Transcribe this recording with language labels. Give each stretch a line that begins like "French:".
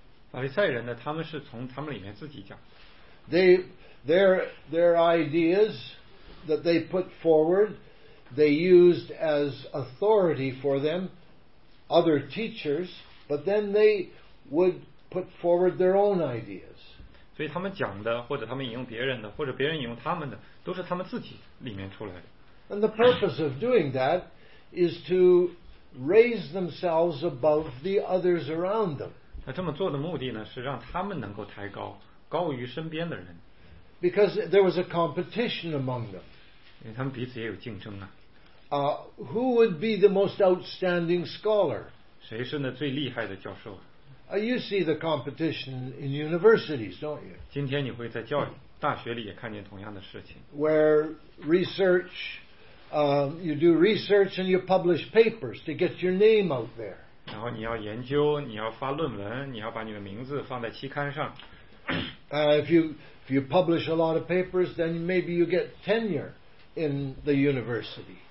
Chinese: 法利赛人呢，他们是从他们里面自己讲。
English: Their ideas that they put forward, they used as authority for them other teachers, but then they would put forward their own ideas.
Chinese: 所以他们讲的，或者他们引用别人的，或者别人引用他们的，都是他们自己里面出来的。
English: And the purpose of doing that is to raise themselves above the others around them.
Chinese: 他这么做的目的呢，是让他们能够抬高，高于身边的人。
English: Because there was a competition among them.
Chinese: 因为他们彼此也有竞争啊。
English: Who would be the most outstanding scholar?
Chinese: 谁是那最厉害的教授啊？
English: You see the competition in universities, don't you?
Chinese: 今天你会在教育大学里也看见同样的事情。
English: Where research. You do research and you publish papers to get your name out there.
Chinese: 然后你要研究，你要发论文，你要把你的名字放在期刊上。
English: If you publish a lot of papers, then maybe you get tenure in the university.